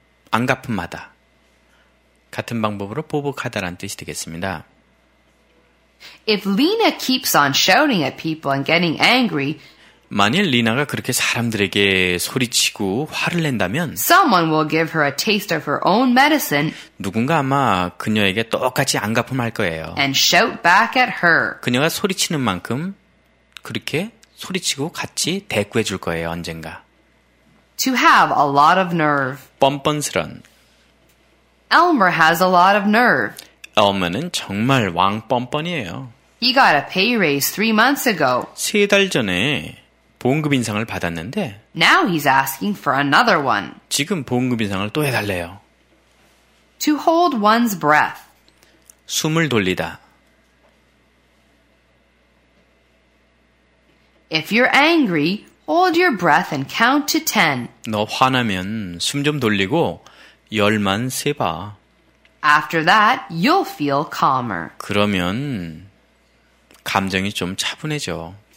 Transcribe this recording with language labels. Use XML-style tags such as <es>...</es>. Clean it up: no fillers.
<ko>안 갚음마다. 같은 방법으로 보복하다라는 뜻이 되겠습니다.</ko> <en>If Lena keeps on shouting at people and getting angry,</en> <ko>만일 리나가 그렇게 사람들에게 소리치고 화를 낸다면,</ko> <en>someone will give her a taste of her own medicine.</en> <ko>누군가 아마 그녀에게 똑같이 안 갚음할 거예요.</ko> <en>And shout back at her.</en> <ko>그녀가 소리치는 만큼 그렇게 소리치고 같이 대꾸해 줄 거예요, 언젠가.</ko> <en>To have a lot of nerve.</en> <ko>뻔뻔스런.</ko> <en>Elmer has a lot of nerve.</en> <ko>Elmer는 정말 왕 뻔뻔이에요.</ko> <en>He got a pay raise 3 months ago.</en> <ko>세 달 전에 봉급 인상을 받았는데,</ko> <en>now he's asking for another one.</en> <ko>지금 봉급 인상을 또 해달래요.</ko> <en>To hold one's breath.</en> <ko>숨을 돌리다.</ko> <en>If you're angry, hold your breath and count to 10.</en> <ko>너 화나면 숨 좀 돌리고 열만 세봐.</ko> <en>After that, you'll feel calmer.</en> <ko>그러면 감정이 좀 차분해져.</ko>